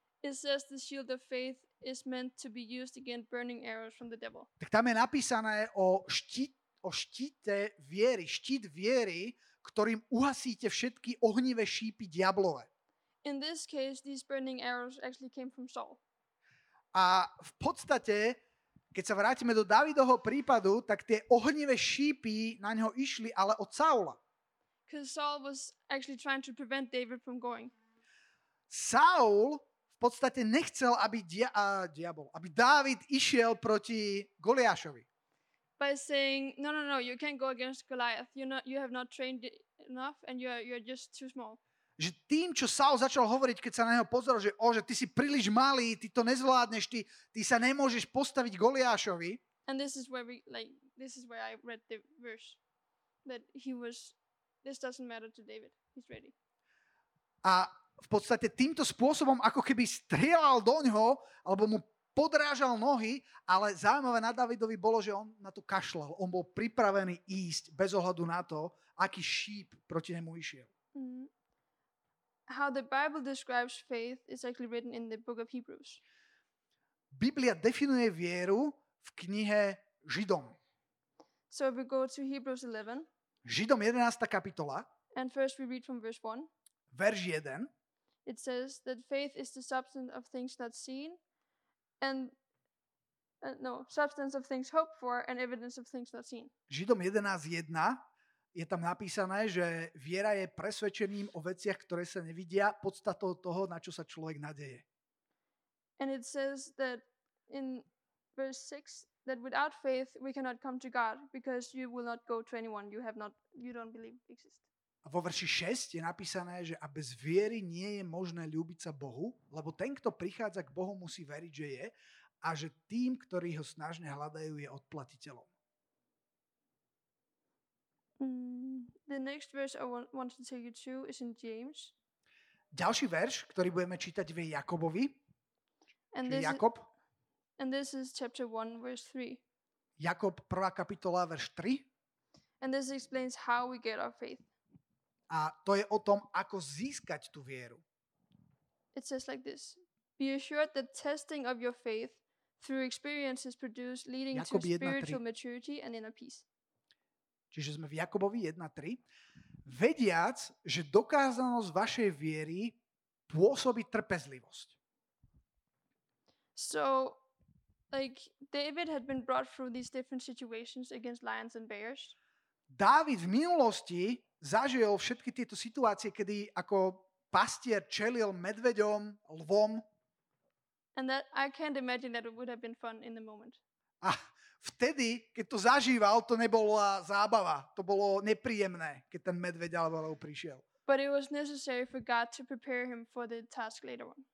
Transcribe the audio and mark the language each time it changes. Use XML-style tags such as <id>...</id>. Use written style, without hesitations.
<en>it says the shield of faith is meant to be used against burning arrows from the devil.</en> <sk>Tak tam je napísané o štíte viery, ktorým uhasíte všetky ohnivé šípy diablové.</sk> <en>In this case, these burning arrows actually came from Saul.</en> <sk>A v podstate, keď sa vrátime do Davidovho prípadu, tak tie ohnivé šípy na neho išli, ale od Saula.</sk> <en>Because Saul was actually trying to prevent David from going.</en> <sk>Saul v podstate nechcel, aby Dávid išiel proti Goliášovi.</sk> <en>By saying, no, you can't go against Goliath. You have not trained enough and you're just too small.</en> <sk>Že tým, čo Saul začal hovoriť, keď sa na neho pozeral, že ty si príliš malý, ty to nezvládneš, ty sa nemôžeš postaviť Goliášovi.</sk> <en>And this is where I read the verse that this doesn't matter to David. He's ready.</en> <sk>A v podstate týmto spôsobom ako keby strieľal do ňoho alebo mu podrážal nohy, ale zaujímavé na Davidovi bolo, že on na to kašľal. On bol pripravený ísť bez ohľadu na to, aký šíp proti nemu išiel. Mm-hmm.</sk> <en>How the Bible describes faith is actually written in the book of Hebrews.</en> <sk>Biblia definuje vieru v knihe Židom.</sk> <en>So if we go to Hebrews 11.</en> <sk>Židom 11. kapitola.</sk> <en>And first we read from verse 1.</en> <sk>Verš 1.</sk> <en>It says that faith is the substance of things not seen and substance of things hoped for and evidence of things not seen.</en> <sk>Židom 11:1 je tam napísané, že viera je presvedčením o veciach, ktoré sa nevidia, podstatou toho, na čo sa človek nadeje.</sk> <en>And it says that in verse 6 that without faith we cannot come to God because you will not go to anyone you have not you don't believe exists.</en> <sk>A vo verši 6 je napísané, že a bez viery nie je možné ľúbiť sa Bohu, lebo ten, kto prichádza k Bohu, musí veriť, že je, a že tým, ktorí ho snažne hľadajú, je odplatiteľom.</sk> <en>The next verse I want to take you to is in James.</en> <sk>Ďalší verš, ktorý budeme čítať, je Jakobovi. Jakob.</sk> <en>And this is chapter 1, verse 3.</en> <sk>Jakob, 1. kapitola, verš 3.</sk> <en>And this explains how we get our faith.</en> <sk>A to je o tom, ako získať tú vieru.</sk> <en>It says like this. Be assured that testing of your faith through experiences produce leading</en> <sk>Jakob</sk> <en>to 1, spiritual 3. maturity and inner peace.</en> <sk>Čiže sme v Jakobovi 1.3. Vediac, že dokázanosť vašej viery pôsobí trpezlivosť.</sk> <en>So, like, David had been brought through these different situations against lions and bears.</en> <sk>Dávid v minulosti zažil všetky tieto situácie, kedy ako pastier čelil medveďom, lvom.</sk> <en>And that I can't imagine that it would have been fun in the moment.</en> <sk>A vtedy, keď to zažíval, to nebola zábava. To bolo nepríjemné, keď ten medveď alebo lev prišiel.</sk> <en>But it was necessary for God to prepare him for the task later on.</en>